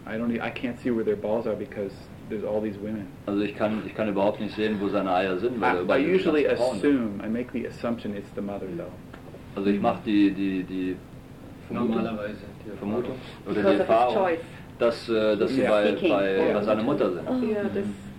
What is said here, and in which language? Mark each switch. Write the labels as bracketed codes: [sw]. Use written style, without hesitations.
[en] I can't see where their balls are because there's all these women. [de] Also ich kann überhaupt nicht sehen, wo seine Eier sind, weil [en] I usually assume. I make the assumption it's the mother though. [de] Also ich mache die Vermutung. Oder die Erfahrung, dass sie bei seiner Mutter sind.